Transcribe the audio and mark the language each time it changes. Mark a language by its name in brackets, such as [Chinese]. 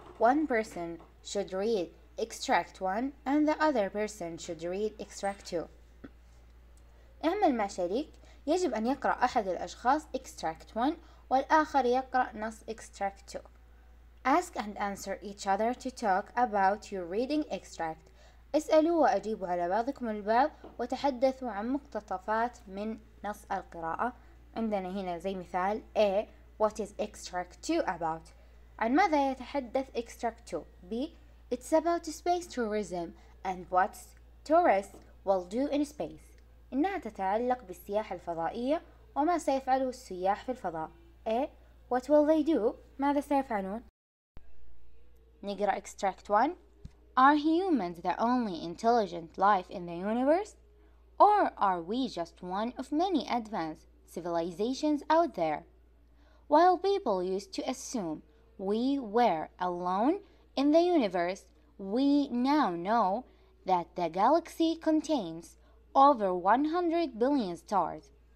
[English] One person should read extract one and the other person should read extract two. [Arabic] اعمل مع شريك. يجب أن يقرأ أحد الأشخاص extract one والآخر يقرأ نص extract two. [English] Ask and answer each other to talk about your reading extract. [Arabic] اسألوا وأجيبوا على بعضكم البعض وتحدثوا عن مقتطفات من نص القراءة. عندنا هنا زي مثال A. [English] What is extract two about? [Arabic] عن ماذا يتحدث extract 2؟ B. [English] It's about space tourism and what tourists will do in space. [Arabic] إنها تتعلق بالسياحة الفضائية وما سيفعله السياح في الفضاء. A. [English] What will they do؟ ماذا سيفعلون؟ نقرأ extract 1. Are humans the only intelligent life in the universe? Or are we just one of many advanced civilizations out there? While people used to assume we were alone in the universe, we now know that the galaxy contains over 100 billion stars.